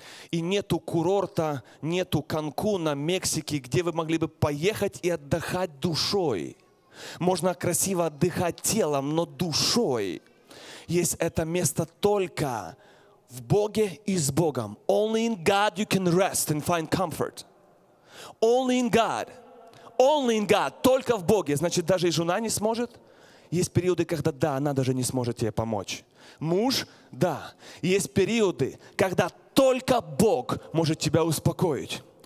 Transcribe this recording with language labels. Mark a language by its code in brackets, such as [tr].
[ru] И нету курорта, нету Канкуна, Мексики, где вы могли бы поехать и отдыхать душой. Можно красиво отдыхать телом, но душой есть это место только в Боге и с Богом. [en] Only in God you can rest and find comfort. Only in God. Only in God. [ru] Только в Боге. Значит, даже и жена не сможет. Есть периоды, когда да, она даже не сможет тебе помочь. Муж, да. Есть периоды, когда только Бог может тебя успокоить.